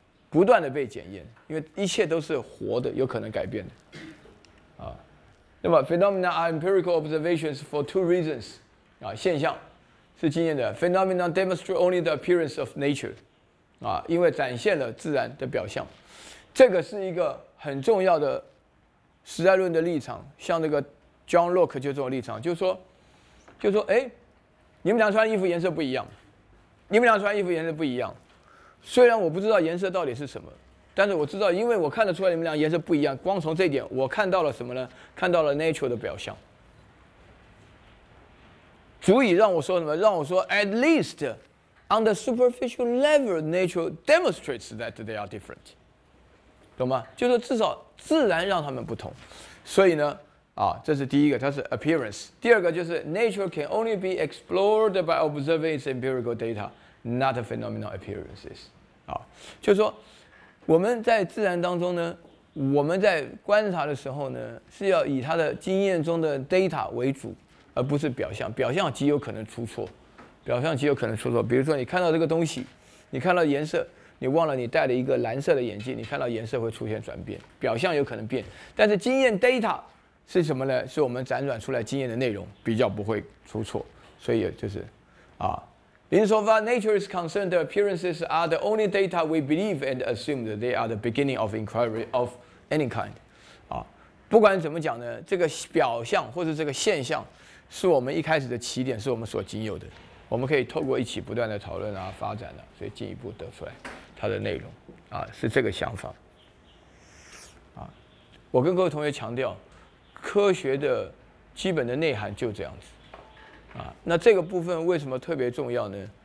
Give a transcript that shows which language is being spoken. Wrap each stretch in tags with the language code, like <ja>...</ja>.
<zh>不断的被检验，因为一切都是活的，有可能改变的，啊，那么</zh> <en>phenomena are empirical observations for two reasons，</en> <zh>啊，现象是经验的 ，</zh> <en>phenomena demonstrate only the appearance of nature，</en> <zh>啊，因为展现了自然的表象，这个是一个很重要的实在论的立场，像那个John Locke 就这种立场，就是说，哎，你们俩穿衣服颜色不一样，你们俩穿衣服颜色不一样。虽然我不知道颜色到底是什么，但是我知道，因为我看得出来你们俩颜色不一样。光从这一点，我看到了什么呢？看到了 nature 的表象，足以让我说什么？让我说</zh> <en>at least on the superficial level, nature demonstrates that they are different。</en> <zh>懂吗？就是至少自然让他们不同。</zh> <en>所以呢，啊，</en> <zh>这是第一个，它是</zh> <en>appearance。</en> <zh>第二个就是</zh> <en>nature can only be explored by observing its empirical data, not phenomenal appearances。</en> <zh>啊，就是说我们在自然当中呢，我们在观察的时候呢，是要以它的经验中的 data 为主，而不是表象。表象极有可能出错，表象极有可能出错。比如说你看到这个东西，你看到颜色，你忘了你戴了一个蓝色的眼镜，你看到颜色会出现转变，表象有可能变，但是经验 data 是什么呢？是我们辗转出来经验的内容，比较不会出错。所以就是，</zh> <en>啊 ，insofar nature is concerned, the appearances are the only data we believe and assume that they are the beginning of inquiry of any kind。</en> <zh>啊，不管怎么讲呢，这个表象或者这个现象，是我们一开始的起点，是我们所仅有的。我们可以透过一起不断的讨论啊，发展啊，所以进一步得出来它的内容，啊，是这个想法，啊，我跟各位同学强调，科学的基本的内涵就这样子，啊，那这个部分为什么特别重要呢？</zh>